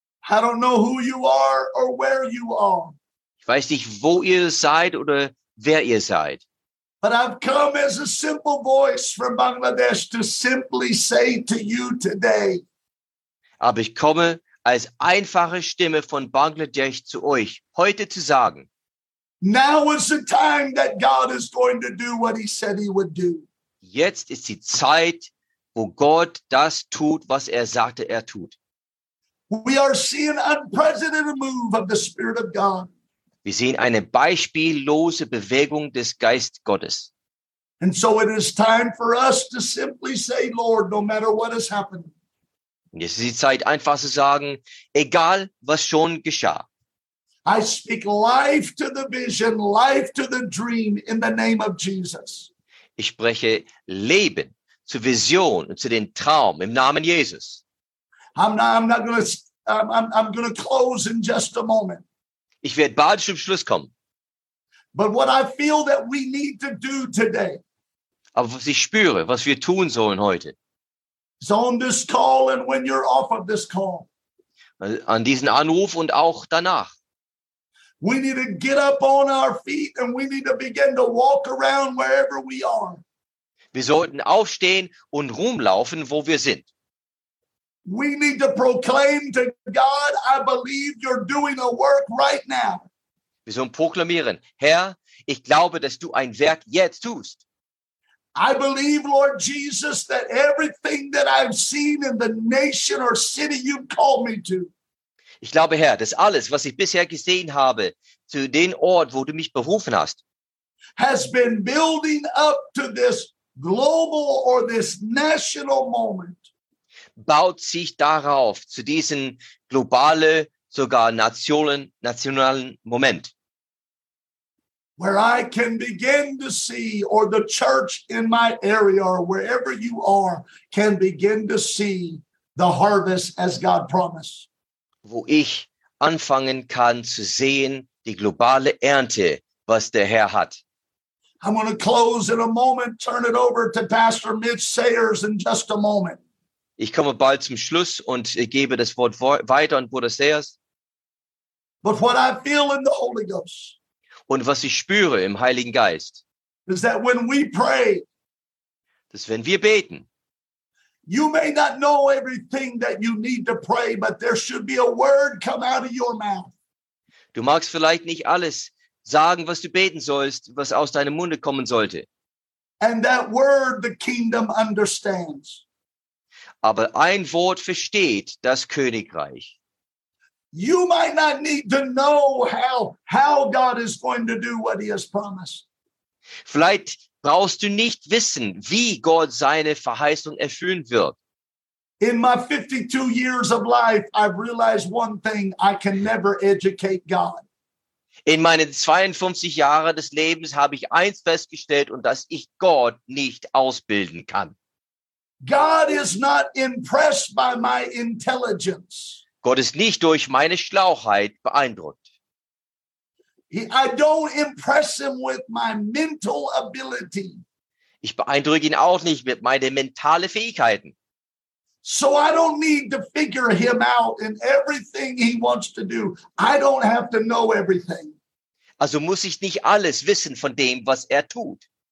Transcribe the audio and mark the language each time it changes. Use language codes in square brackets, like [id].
[en] I don't know who you are or where you are. [de] Ich weiß nicht, wo ihr seid oder wer ihr seid. [en] But I've come as a simple voice from Bangladesh to simply say to you today. [de] Aber ich komme als einfache Stimme von Bangladesch zu euch heute zu sagen. [en] Now is the time that God is going to do what he said he would do. [de] Jetzt ist die Zeit, wo Gott das tut, was er sagte, er tut. [en] We are seeing an unprecedented move of the Spirit of God. [de] Wir sehen eine beispiellose Bewegung des Geist Gottes. [en] And so it is time for us to simply say, Lord, no matter what has happened. [de] Jetzt ist die Zeit, einfach zu sagen, egal was schon geschah. [en] I speak life to the vision, life to the dream in the name of Jesus. [de] Ich spreche Leben zur Vision und zu den Traum im Namen Jesus. [en] I'm going to close in just a moment. [de] Ich werde bald zum Schluss kommen. [en] But what I feel that we need to do today. [de] Aber was ich spüre, was wir tun sollen heute. [en] It's on this call and when you're off of this call. [de] An diesen Anruf und auch danach. [en] We need to get up on our feet and we need to begin to walk around wherever we are. [de] Wir sollten aufstehen und rumlaufen, wo wir sind. [en] We need to proclaim to God, I believe you're doing a work right now. [de] Wir sollen proklamieren, Herr, ich glaube, dass du ein Werk jetzt tust. [en] I believe, Lord Jesus, that everything that I've seen in the nation or city you've called me to. [de] Ich glaube, Herr, dass alles, was ich bisher gesehen habe, zu dem Ort, wo du mich berufen hast, [en] has been building up to this global or this national moment. [de] Baut sich darauf, zu diesem globalen, sogar nationalen Moment. [en] Where I can begin to see, or the church in my area, or wherever you are, can begin to see the harvest as God promised. [de] Wo ich anfangen kann zu sehen, die globale Ernte, was der Herr hat. [en] I'm going to close in a moment, turn it over to Pastor Mitch Sayers in just a moment. [de] Ich komme bald zum Schluss und gebe das Wort weiter an Bruder Sayers. [en] But what I feel in the Holy Ghost. [de] Und was ich spüre im Heiligen Geist. [en] Is that when we pray. [de] Dass wenn wir beten. [en] You may not know everything that you need to pray, but there should be a word come out of your mouth. [de] Du magst vielleicht nicht alles sagen, was du beten sollst, was aus deinem Munde kommen sollte. [en] And that word the kingdom understands. [de] Aber ein Wort versteht das Königreich. [en] You might not need to know how God is going to do what he has promised. [de] Vielleicht brauchst du nicht wissen, wie Gott seine Verheißung erfüllen wird. [en] In my 52 years of life, I've realized one thing, I can never educate God. [de] In meinen 52 Jahren des Lebens habe ich eins festgestellt, und dass ich Gott nicht ausbilden kann. [en] God is not impressed by my intelligence. [de] Gott ist nicht durch meine Schlauheit beeindruckt. [en] I don't impress him with my mental ability. [de] Ich beeindrucke ihn auch nicht mit meinen mentalen Fähigkeiten. [en] So I don't need to figure him out in everything he wants to do. I don't have to know everything. [de] Also muss ich nicht alles wissen von dem, was er tut.